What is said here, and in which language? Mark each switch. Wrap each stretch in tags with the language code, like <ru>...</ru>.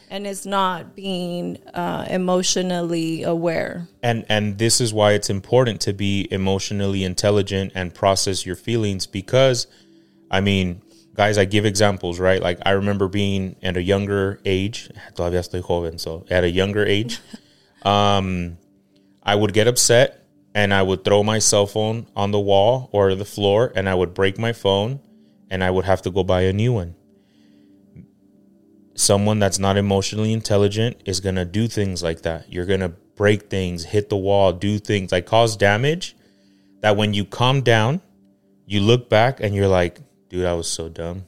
<en>And it's not being emotionally aware. And this is why it's important to be emotionally intelligent and process your feelings because, I mean, guys, I give examples, right? Like, I remember being at a younger age.</en> <es>Todavía estoy joven,</es> <en>so at a younger age. I would get upset and I would throw my cell phone on the wall or the floor and I would break my phone and I would have to go buy a new one. Someone that's not emotionally intelligent is going to do things like that. You're going to break things, hit the wall, do things like cause damage that when you calm down, you look back and you're like, dude, I was so dumb.</en>